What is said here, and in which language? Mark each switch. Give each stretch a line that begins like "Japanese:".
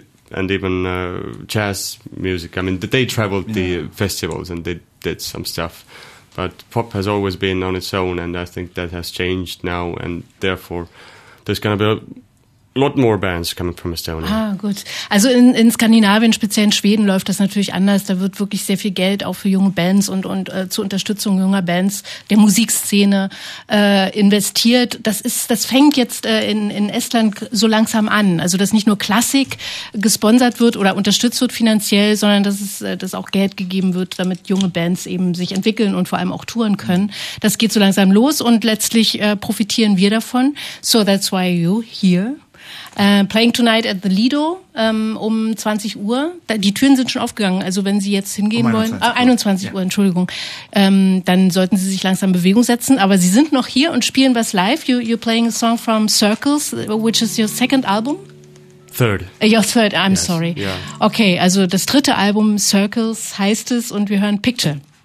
English: And even jazz music. I mean, they traveled the festivals and they did some stuff. But pop has always been on its own, and I think that has changed now, and therefore there's going to be a lot more bands coming from Estonia.
German: Ah, gut. Also in Skandinavien, speziell in Schweden, läuft das natürlich anders. Da wird wirklich sehr viel Geld auch für junge Bands und zur Unterstützung junger Bands der Musikszene investiert. Das fängt jetzt in Estland so langsam an. Also dass nicht nur Klassik gesponsert wird oder unterstützt wird finanziell, sondern dass auch Geld gegeben wird, damit junge Bands eben sich entwickeln und vor allem auch touren können. Das geht so langsam los und letztlich profitieren wir davon.
English: So that's why you're here. Playing tonight at the Lido
German: um 20 Uhr. Die Türen sind schon aufgegangen, also wenn Sie jetzt hingehen um 21 wollen. Uhr. 21 Uhr, Entschuldigung. Dann sollten Sie sich langsam in Bewegung setzen. Aber Sie sind noch hier und spielen was live.
English: You're playing a song from Circles, which is your second album? Third. Your third, I'm sorry. Yeah.
German: Okay, also das dritte Album, Circles, heißt es und wir hören Picture.